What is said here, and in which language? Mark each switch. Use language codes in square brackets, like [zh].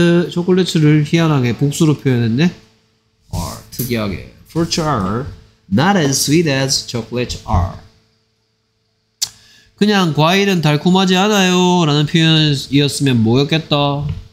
[ko] 초콜릿을 희한하게 복수로 표현했네. [en] Are 특이하게 fruits are not as sweet as chocolate are. [ko] 그냥 과일은 달콤하지 않아요 라는 표현이었으면 뭐였겠다?